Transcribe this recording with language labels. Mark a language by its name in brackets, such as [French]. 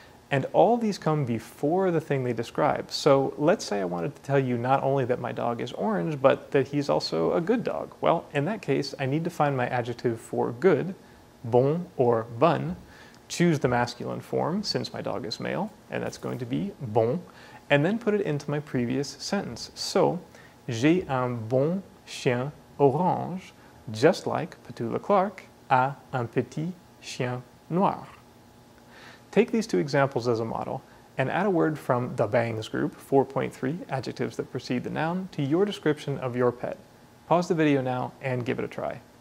[English] And all these come before the thing they describe. So let's say I wanted to tell you not only that my dog is orange, but that he's also a good dog. Well, in that case, I need to find my adjective for good, bon or bonne, choose the masculine form, since my dog is male, and that's going to be bon, and then put it into my previous sentence. So, [French] j'ai un bon chien orange, [English] just like [French] Petula Clark a un petit chien noir. [English] Take these two examples as a model, and add a word from the Bangs group, 4.3, adjectives that precede the noun, to your description of your pet. Pause the video now and give it a try.